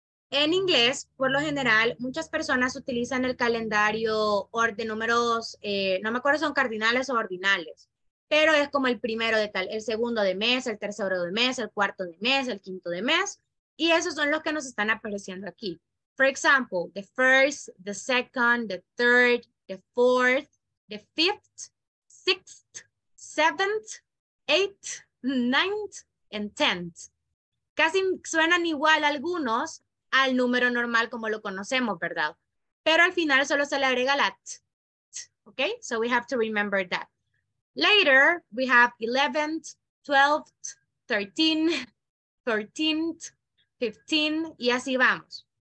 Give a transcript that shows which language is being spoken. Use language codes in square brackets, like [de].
[es] En inglés, por lo general, muchas personas utilizan el calendario de números, no me acuerdo si son cardinales o ordinales, pero es como el primero de tal, el segundo de mes, el tercero de mes, el cuarto de mes, el quinto de mes, y esos son los que nos están apareciendo aquí. [en] For example, the first, the second, the third, the fourth, the fifth, sixth, seventh, eighth, ninth, and tenth. [es] Casi suenan igual algunos al número normal como lo conocemos, ¿verdad? Pero al final solo se le agrega la t, t, ¿ok? [en] So we have to remember that. Later, we have 11th, 12th, 13th, 14th, 15th, [es] y así vamos.